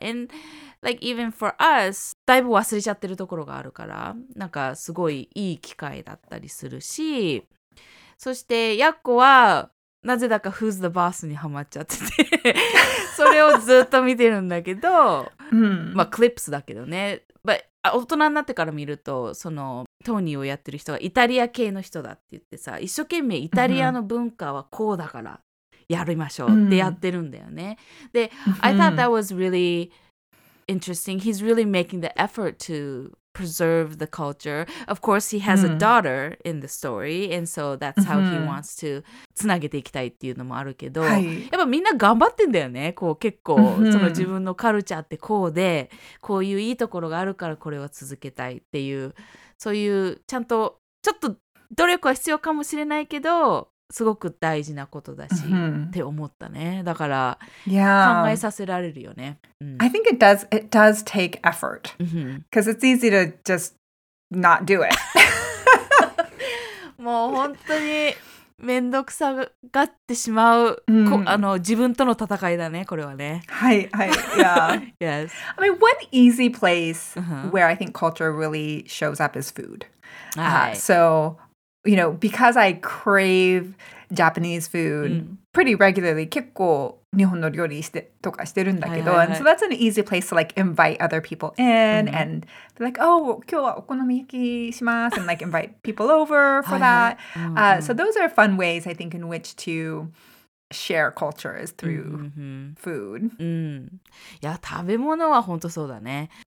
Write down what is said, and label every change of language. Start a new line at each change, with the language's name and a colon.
English: And like even for us,
Japanese: だいぶ忘れちゃってるところがあるから、なんかすごいいい機会だったりするし、そしてやっこはなぜだか Who's the Boss にハマっちゃっててそれをずっと見てるんだけど、まあクリップスだけどね。
English: But
Japanese: 大人になってから見ると、そのトーニーをやってる人がイタリア系の人だって言ってさ、一生懸命イタリアの文化はこうだからやりましょうってやってるんだよね。
English: で、I thought that was really interesting. He's really making the effort to preserve the culture. Of course, he has a daughter in the story, and so that's how he wants to
Japanese: つなげていきたいっていうのもあるけど、やっぱみんな頑張ってんだよね。こう結構その自分のカルチャーってこうで、こういういいところがあるからこれは続けたいっていう、そういうちゃんとちょっと努力は必要かもしれないけど、すごく大事なことだし、って思ったね。だから、考えさせられるよね。
English: I think it does take effort. Because it's easy to just not do it.
Japanese: もう本当にめんどくさがってしまう、あの、自分との戦いだね、これはね。はい、はい、yeah.
English: Yes. I mean, one easy place where I think culture really shows up is food. So... You know, because I crave Japanese food pretty regularly,
Japanese: 結構日本の料理してとかしてるんだけど、はいはいはい、
English: and so that's an easy place to like invite other people in and be like, oh,
Japanese: 今日はお好み焼きします
English: and like invite people over for that. So those are fun ways, I think, in which to share cultures through food.
Japanese: いや、食べ物は本当そうだね。